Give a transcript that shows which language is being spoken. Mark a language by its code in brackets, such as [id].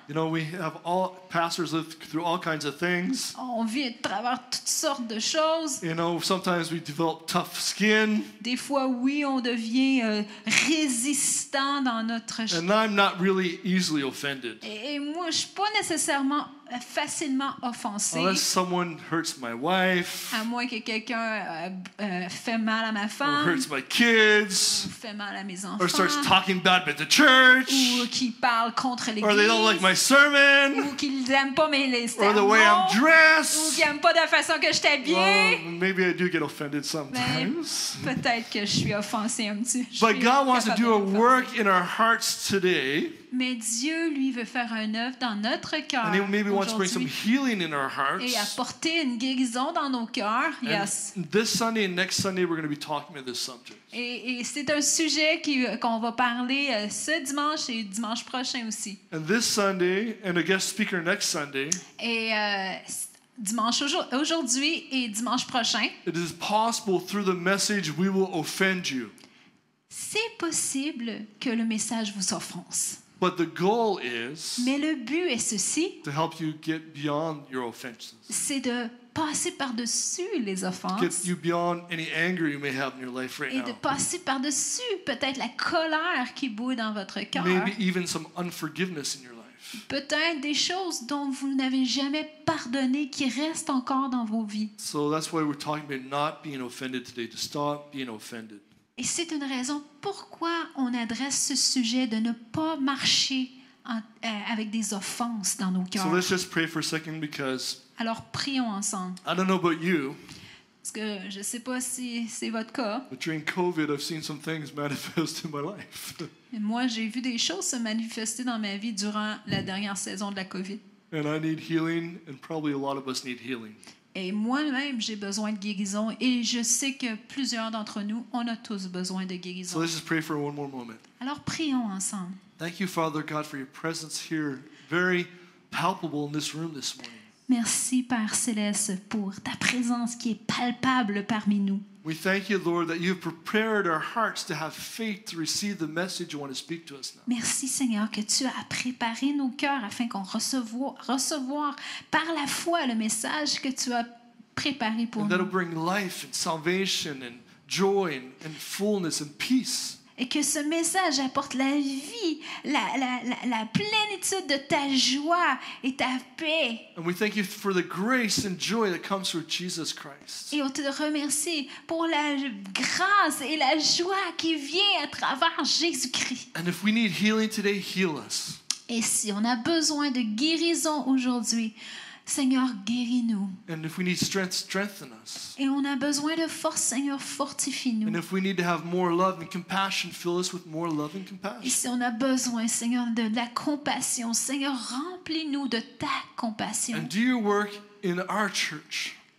[en] you know, we have all pastors live through all kinds of things. [fr] On vit à travers toutes sortes de choses. [en] You know, sometimes we develop tough skin. [fr] Des fois, oui, on devient résistant dans notre. [en] And I'm not really easily offended. [fr] Et moi, je suis pas nécessairement facilement offensé. [en] Unless someone hurts my wife. [fr] À moins que quelqu'un fait mal à ma femme. [en] Or hurts my kids. [fr] Fait mal à mes enfants. [en] Or starts talking bad about the church. [fr] Ou qui parle contre l'église. [en] Or they don't like my sermon. [fr] Ou qu'ils aiment pas mes sermons. [en] Or the way I'm dressed. [fr] Ou qu'ils aiment pas la façon que je t'habille. [en] Maybe I do get offended sometimes. [fr] Peut-être que je suis offensé un petit peu. [en] But God wants to do a work in our hearts today. [fr] Mais Dieu lui veut faire un œuvre dans notre cœur. [en] And he maybe wants to bring some healing in our hearts. [fr] Et apporter une guérison dans nos cœurs. [en] Yes. This Sunday and next Sunday we're going to be talking about this subject. [fr] Et c'est un sujet qu'on va parler ce dimanche et dimanche prochain aussi. [en] And this Sunday and a guest speaker next Sunday. [fr] Et dimanche aujourd'hui et dimanche prochain. [en] It is possible through the message we will offend you. [fr] C'est possible que le message vous offense. [en] But the goal is, [fr] mais le but est ceci, [en] to help you get beyond your offenses. [fr] C'est de passer par-dessus les offenses. [en] Get you beyond any anger you may have in your life right [fr] et [en] now. [fr] De passer par-dessus peut-être la colère qui boue dans votre cœur. [en] Maybe even some unforgiveness in your life. [fr] Peut-être des choses dont vous n'avez jamais pardonné qui restent encore dans vos vies. [en] So that's why we're talking about not being offended today, to stop being offended. [fr] Et c'est une raison pourquoi on adresse ce sujet de ne pas marcher avec des offenses dans nos cœurs. [en] So let's just pray for a second because [fr] alors prions ensemble. [en] I don't know about you. [fr] Parce que je sais pas si c'est votre cas. [en] But during COVID, I've seen some things manifest in my life. [fr] Et moi, j'ai vu des choses se manifester dans ma vie durant la dernière saison de la COVID. [en] And I need healing and probably a lot of us need healing. [fr] Et moi-même, j'ai besoin de guérison. Et je sais que plusieurs d'entre nous, on a tous besoin de guérison. [en] So let's just pray for one more moment. [fr] Alors, prions ensemble. [en] Thank you, Father God, for your presence here. Very palpable in this room this morning. [fr] Merci, Père Céleste, pour ta présence qui est palpable parmi nous. [en] We thank you, Lord, that you've prepared our hearts to have faith to receive the message you want to speak to us now. [fr] Merci, Seigneur, que tu as préparé nos cœurs afin qu'on recevoir par la foi le message que tu as préparé pour nous. [en] That'll bring life and salvation and joy and fullness and peace. [fr] Et que ce message apporte la vie, la plénitude de ta joie et ta paix. [en] And we thank you for the grace and joy that comes through Jesus Christ. [fr] Et on te remercie pour la grâce et la joie qui vient à travers Jésus-Christ. [en] And if we need healing today, heal us. [fr] Et si on a besoin de guérison aujourd'hui, Seigneur, guéris-nous. [en] And if we need strength, strengthen us. [fr] Et on a besoin de force, Seigneur, fortifie-nous. [en] And if we need to have more love and compassion, fill us with more love and compassion. [fr] Et si on a besoin, Seigneur, de la compassion, Seigneur, remplis-nous de ta compassion. [en] And do your work in our church.